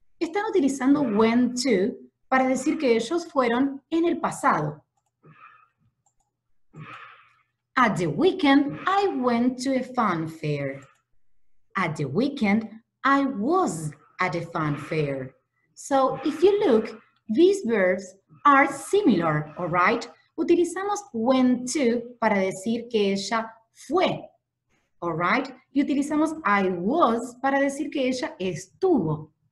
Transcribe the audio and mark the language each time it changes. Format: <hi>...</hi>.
<es>Están utilizando</es> <en>went to</en> <es>para decir que ellos fueron en el pasado.</es> <en>At the weekend, I went to a fun fair. At the weekend, I was at a fun fair. So if you look, these verbs are similar, all right?</en> <es>Utilizamos</es> <en>went to</en> <es>para decir que ella fue.</es> <en>All right,</en> <es>y utilizamos</es> <en>I was</en> <es>para decir que ella estuvo.</es>